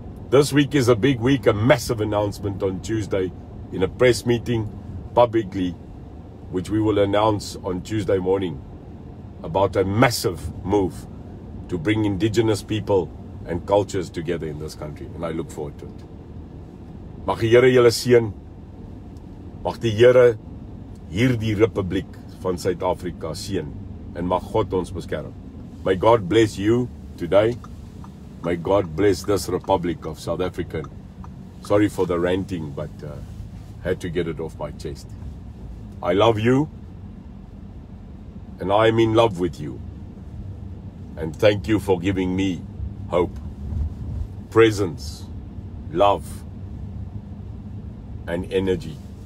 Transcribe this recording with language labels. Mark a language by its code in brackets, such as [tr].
[en] This week is a big week, a massive announcement on Tuesday in a press meeting publicly, which we will announce on Tuesday morning, about a massive move to bring indigenous people and cultures together in this country. And I look forward to it. [af] Mag die Here julle seën. Mag die Here hierdie republiek van Suid-Afrika seën. En mag God ons beskerm. [en] May God bless you today. May God bless this Republic of South Africa. Sorry for the ranting, but had to get it off my chest. I love you. And I'm in love with you. And thank you for giving me hope, presence, love, and energy.